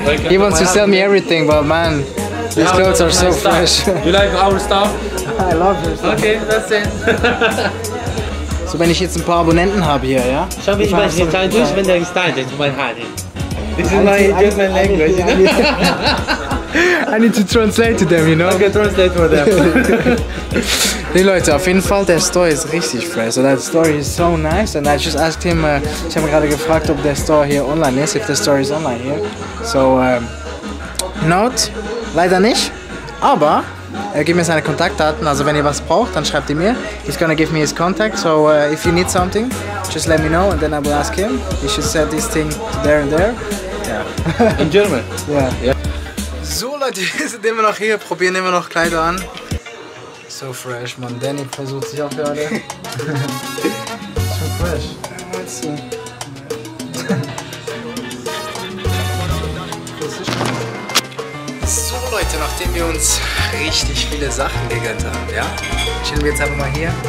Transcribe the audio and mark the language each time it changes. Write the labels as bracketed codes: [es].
[en] He wants to sell me everything, but man, these clothes are so fresh. You like our stuff? I love your stuff. Okay, that's it. [de] So, wenn ich jetzt ein paar Abonnenten habe hier, ja? Schau, wie ich meine Gitarre durch, wenn der gestylt ist, mein Hadi. [en] This is my German language. I need to translate to them, you know? Okay, translate for them. [de] Nee, Leute, auf jeden Fall, der Store ist richtig fresh. [en] So, that store is so nice. And I just asked him, [de] ich habe gerade gefragt, ob der Store hier online ist, [en] if the store is online here. [de] So, [en] not, [de] leider nicht. Aber, er gibt mir seine Kontaktdaten. Also, wenn ihr was braucht, dann schreibt ihr mir. [en] He's gonna give me his contact. So, if you need something, just let me know and then I will ask him. He should send this thing to there and there. Yeah. In German? Yeah. [de] So, Leute, wir sind immer noch hier, probieren immer noch Kleider an. [en] So fresh, man. [de] Danny versucht sich auch gerade. [en] So fresh. [de] So, Leute, nachdem wir uns richtig viele Sachen gegönnt haben, ja, chillen wir jetzt einfach mal hier.